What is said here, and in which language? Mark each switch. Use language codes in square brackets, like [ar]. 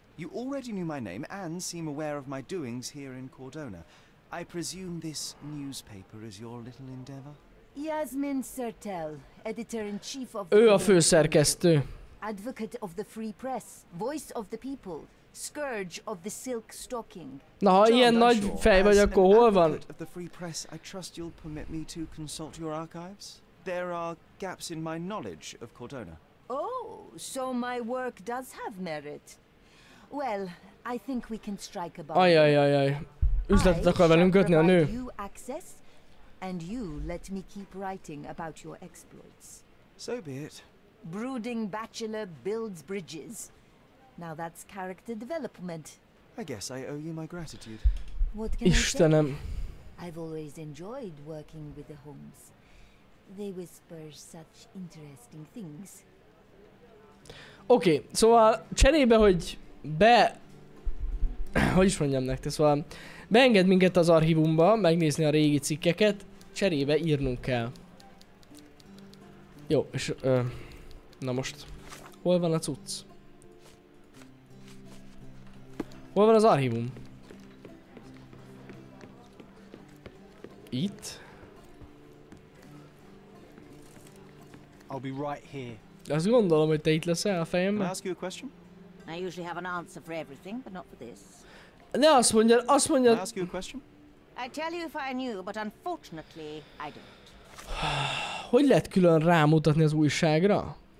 [en] You already knew my name and seem aware of my doings here in Cordona. I presume this newspaper is your little endeavor? Yasmin Sertel, editor-in-chief of... [hu] Ő a főszerkesztő. [en] Advocate of the free press, voice of the people, scourge of the silk stocking. [hu] Na, ha ilyen nagy fej vagy, akkor hol van? [en] As an advocate of the free press, I trust you'll permit me to consult your archives. There are gaps in my knowledge of Cordona. Oh, so my work does have merit. Well, I think we can strike a bargain. Ajajajaj. [hu] Üzletet akar velünk kötni a nő. [en] You access, and you let me keep writing about your exploits. So be it. Brooding bachelor builds bridges. Now that's character development. I guess I owe you my gratitude. What can [hu] Istenem. [en] I say? I've always enjoyed working with the Holmes. They whisper such interesting things. [hu] Okay, szóval cserébe, hogy be... Hogy is mondjam nektek, szóval beenged minket az archívumba megnézni a régi cikkeket, cserébe írnunk kell. Jó, és na most, hol van a cucc? Hol van az archívum? Itt? [en] I'll be right here. [hu] Azt gondolom, hogy te itt leszel a fejemben. [en] Can I ask you a question? I usually have an answer for everything, but not for this. [hu] Ne azt mondjad, azt mondjad... [en] Can I ask you a question? I'd tell you if I knew, but unfortunately, I don't. [hu] Hogy lehet külön rámutatni az újságra?